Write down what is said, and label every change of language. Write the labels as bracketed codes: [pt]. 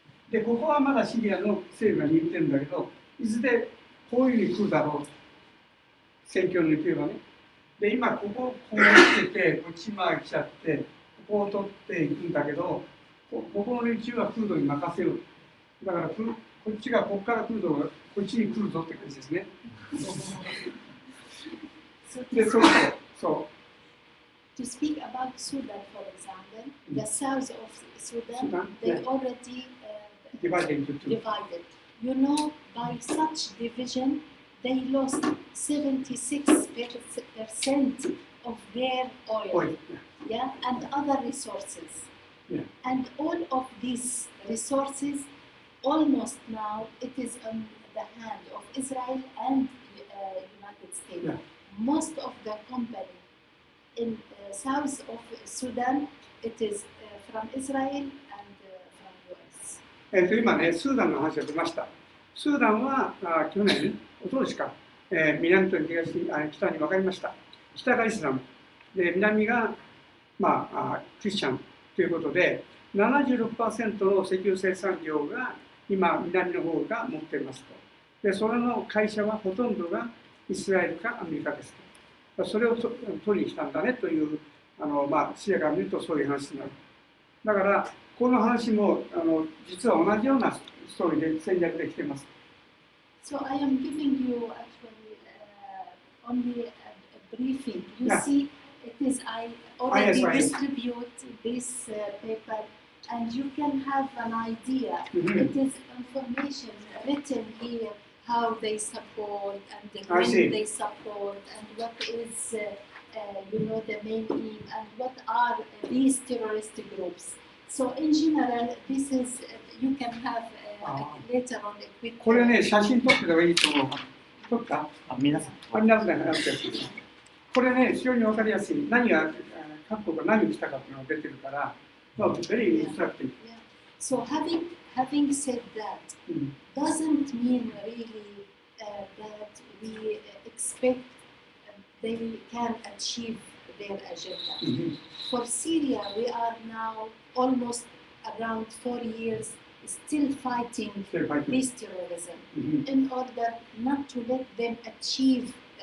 [ja] で、ここはまだシリアの政府が握ってるんだけど、いずれこういうふうに来るだろうと。戦況抜ければね。で、今ここをこう来てて、こっちまで来ちゃって、ここを取っていくんだけど、ここの連中はクルドに任せる。だからこっちがここからクルドがこっちに来るぞって感じですね。で、そうそう。そう。 [en] To speak about Sudan, for example, the south of Sudan, they already divided. You know, by such division, they lost 76% of their oil. Yeah, and other resources. Yeah. And all of these resources, almost now, it is on the hand of Israel and United States. Yeah. Most of the company in south of Sudan, it is from Israel and from US. [ja] 今ね、スーダンの話が出ました。スーダンは去年、一昨年か、南と東に、北に分かりました。北がイスラム、で南が、まあ、クリスチャン。ということで、76% の石油生産業が今、南の方が持っていますと。で、それの会社はほとんどがイスラエルかアメリカですと。それを取りに来たんだねという、まあ、視野から見るとそういう話になる。だから、この話も実は同じようなストーリーで戦略できています。 [en] So I am giving you actually, only a briefing. You see,It is, I already distribute this paper, and you can have an idea. Mm-hmm. It is information written here, how they support, and when they support, and what is, you know, the main aim, and what are these terrorist groups. So in general, this is, you can have later on a quick... [ja] これね、写真撮ってればいいと思う。撮った? あ、皆さん。あ、皆さん。これね、非常に分かりやすい。何が、各国が何をしたかというのが出てるから、まあ、 [en] very instructive. Yeah. So having said that, doesn't mean really that we expect they can achieve their agenda. For Syria, we are now almost around 4 years still fighting this terrorism in order not to let them achieve